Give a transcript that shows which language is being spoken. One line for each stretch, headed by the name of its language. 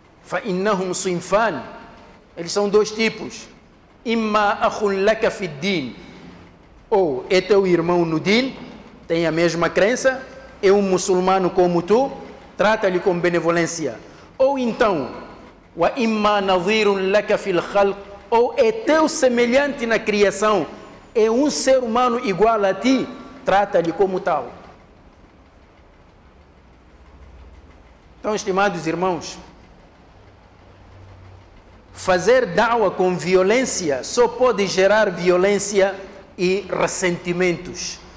Arabic: فَإِنَّهُمْ صِنْفَانِ.
Portuguese: Eles são dois tipos.
Arabic: إِمَّا أَخٌ لَكَ فِي الدِّينِ.
Portuguese: Ou é teu irmão no din, tem a mesma crença, é um muçulmano como tu, trata-lhe com benevolência. Ou então,
Arabic: وَإِمَّا نَظِيرٌ لَكَ فِي الْخَلْقِ.
Portuguese: Ou é teu semelhante na criação, é um ser humano igual a ti, trata-lhe como tal. Então, estimados irmãos, fazer da'wa com violência só pode gerar violência e ressentimentos.